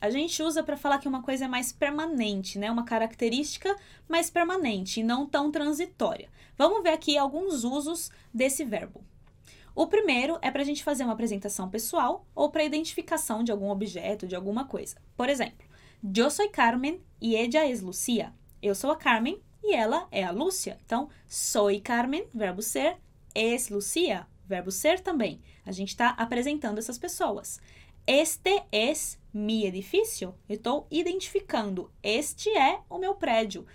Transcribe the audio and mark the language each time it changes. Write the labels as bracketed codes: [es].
[pt] A gente usa para falar que uma coisa é mais permanente, né? Uma característica mais permanente e não tão transitória. Vamos ver aqui alguns usos desse verbo. O primeiro é para a gente fazer uma apresentação pessoal ou para identificação de algum objeto, de alguma coisa. Por exemplo, [es] yo soy Carmen y ella es Lucía. [pt] Eu sou a Carmen e ela é a Lúcia. Então, [es] soy Carmen, [pt] verbo ser, [es] es Lucía. [pt] Verbo ser também. A gente está apresentando essas pessoas. [es] Este es mi edificio. [pt] Eu estou identificando. Este é o meu prédio.